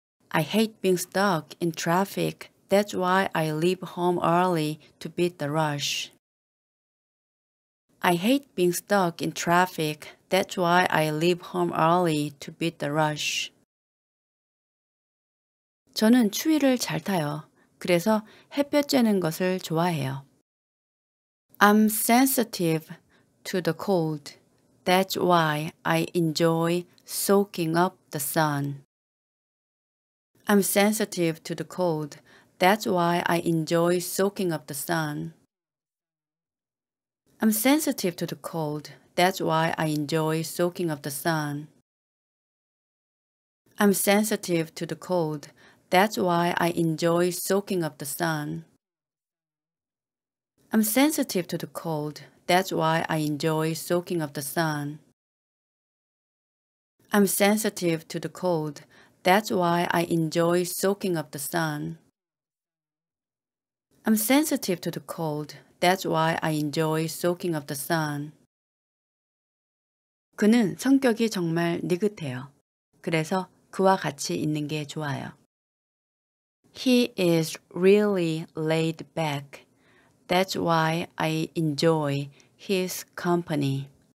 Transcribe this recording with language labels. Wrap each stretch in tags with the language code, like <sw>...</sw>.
<en>I hate being stuck in traffic. That's why I leave home early to beat the rush. I hate being stuck in traffic. That's why I leave home early to beat the rush.</en> <ko>저는 추위를 잘 타요. 그래서 햇볕 쬐는 것을 좋아해요.</ko> <en>I'm sensitive to the cold. That's why I enjoy soaking up the sun. I'm sensitive to the cold. That's why I enjoy soaking up the sun. I'm sensitive to the cold. That's why I enjoy soaking up the sun. I'm sensitive to the cold. That's why I enjoy soaking up the sun. I'm sensitive to the cold. That's why I enjoy soaking up the sun. I'm sensitive to the cold. That's why I enjoy soaking up the sun. I'm sensitive to the cold. That's why I enjoy soaking up the sun.</en> <ko>그는 성격이 정말 느긋해요. 그래서 그와 같이 있는 게 좋아요.</ko> <en>He is really laid back. That's why I enjoy his company.</en>